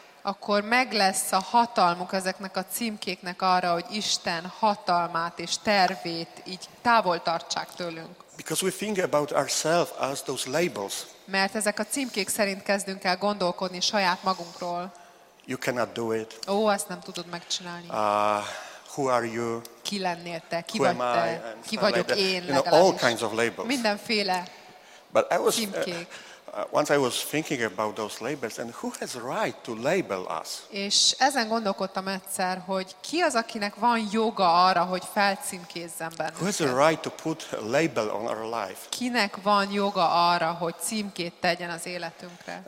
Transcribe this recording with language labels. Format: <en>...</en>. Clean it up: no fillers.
<hu>Akkor meg lesz a hatalmuk ezeknek a címkéknek arra, hogy Isten hatalmát és tervét így távol tartsák tőlünk.</hu> <en>Because we think about ourselves as those labels.</en> <hu>Mert ezek a címkék szerint kezdünk el gondolkodni saját magunkról.</hu> <en>You cannot do it.</en> <hu>Ó, ezt nem tudod megcsinálni.</hu> <en>Who are you?</en> <hu>Ki lennél te? Ki vagy te? Ki vagyok</hu> <en>like</en> <hu>én?</hu> <en>You know, all kinds of labels.</en> <hu>Mindenféle.</hu> <en>But I was once I was thinking about those labels and who has a right to label us?</en> <hu>És ezen gondolkodtam egyszer, hogy ki az, akinek van joga arra, hogy felcímkézzen bennünket?</hu> <en>Who has a right to put a label on our life?</en> <hu>Kinek van joga arra, hogy címkét tegyen az életünkre?</hu>